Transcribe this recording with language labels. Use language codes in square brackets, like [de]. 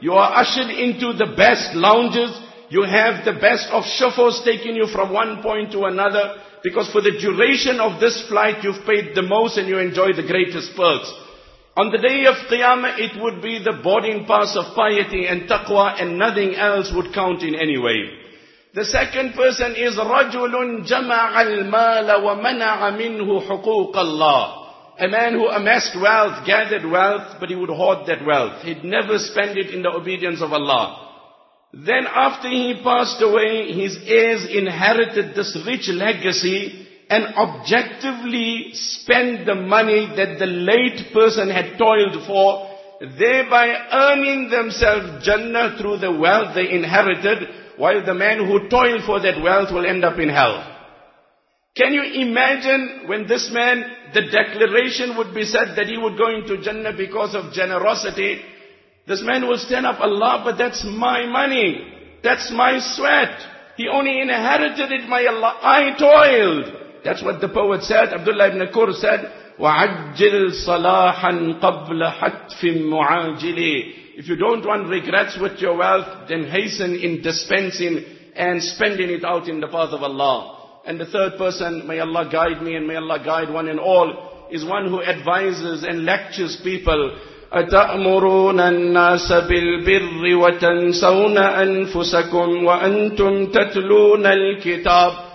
[en] You are ushered into the best lounges, you have the best of chauffeurs taking you from one point to another, because for the duration of this flight you've paid the most and you enjoy the greatest perks. On the day of Qiyamah, it would be the boarding pass of piety and taqwa, and nothing else would count in any way. The second person is [ar] رَجُلٌ جَمَعَ الْمَالَ وَمَنَعَ مِنْهُ حُقُوقَ اللَّهِ. [en] A man who amassed wealth, gathered wealth, but he would hoard that wealth. He'd never spend it in the obedience of Allah. Then after he passed away, his heirs inherited this rich legacy and objectively spent the money that the late person had toiled for, thereby earning themselves Jannah through the wealth they inherited, while the man who toiled for that wealth will end up in hell. Can you imagine when this man, the declaration would be said that he would go into Jannah because of generosity? This man will stand up, Allah, but that's my money. That's my sweat. He only inherited it, my Allah. I toiled. That's what the poet said. Abdullah ibn Kur said, [ar] وَعَجِّلْ صَلَاحًا قَبْلَ حَتْفٍ مُعَاجِلِ. [en] If you don't want regrets with your wealth, then hasten in dispensing and spending it out in the path of Allah. And the third person, may Allah guide me and may Allah guide one and all, is one who advises and lectures people. [ar] أَتَأْمُرُونَ النَّاسَ بِالْبِرِّ وَتَنْسَوْنَ أَنفُسَكُمْ وَأَنْتُمْ تَتْلُونَ الْكِتَابِ.